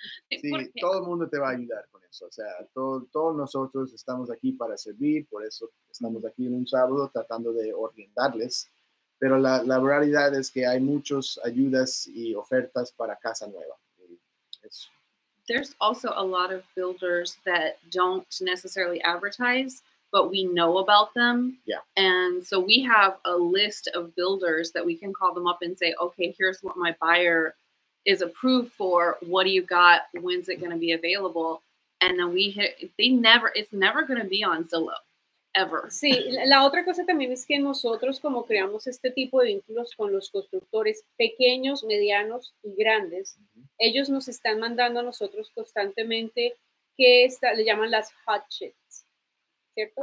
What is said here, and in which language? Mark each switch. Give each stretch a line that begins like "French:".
Spanish: Sí, todo el mundo te va a ayudar con eso. O sea, todos nosotros estamos aquí para servir, por eso estamos aquí en un sábado tratando de orientarles. Pero la realidad es que hay muchas ayudas y ofertas para casa nueva. Eso.
English: There's also a lot of builders that don't necessarily advertise, but we know about them. Yeah. And so we have a list of builders that we can call them up and say, okay, here's what my buyer is approved for. What do you got? When's it going to be available? And then it's never going to be on Zillow. Ever.
Spanish: Sí, la otra cosa también es que nosotros como creamos este tipo de vínculos con los constructores pequeños, medianos y grandes, mm-hmm. ellos nos están mandando a nosotros constantemente que está, le llaman las hot sheets, ¿cierto?